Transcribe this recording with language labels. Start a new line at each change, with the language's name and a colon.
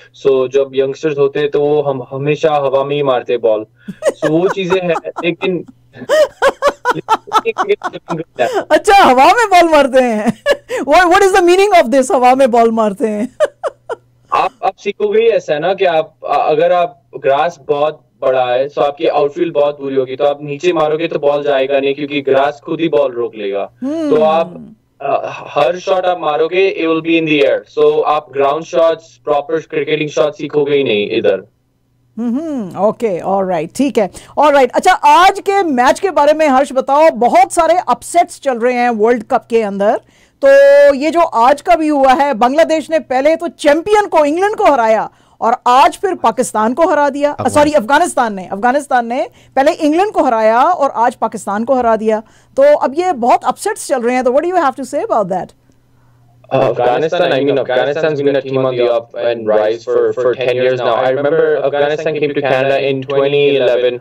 Urdu: سو جب ینگسٹرز ہوتے تو ہم ہمیشہ ہوا میں ہی مارتے بال. سو وہ چیزیں ہیں, لیکن اچھا ہوا میں بال مارتے ہیں.
English: What is the meaning of this,
Urdu: ہوا میں بال مارتے ہیں؟ آپ سیکھو گے ایسا نا کہ آپ اگر آپ گراس بہت بڑا ہے تو آپ کی آؤٹ فیلڈ بہت دوری ہوگی, تو آپ نیچے مارو گے تو بال جائے گا نہیں کیونکہ گراس خود ہی بال روک لے گا. تو آپ ہر شاٹ آپ مارو گے
English: It will be in the air.
Urdu: سو آپ گراؤنڈ شاٹس پراپر کرکٹنگ شاٹ سیکھو گے ہی نہیں ادھر. اوکے آل رائٹ, ٹھیک ہے آل رائٹ. اچھا آج کے میچ کے بارے میں ہرش بتاؤ, بہت سارے اپسیٹس چل رہے ہیں ورلڈ کپ کے اندر, تو یہ جو آج کا بھی ہوا ہے, بنگلہ دیش نے پہلے تو چیمپئن کو انگلینڈ کو ہرایا اور آج پھر پاکستان کو ہرا دیا, سوری افغانستان نے پہلے انگلینڈ کو ہرایا اور آج پاکستان کو ہرا دیا, تو اب یہ بہت اپسیٹس چل رہے ہیں, تو
English: What you have to say about that? Afghanistan's been a team on the up and rise for 10 years now. I remember Afghanistan came to Canada in 2011.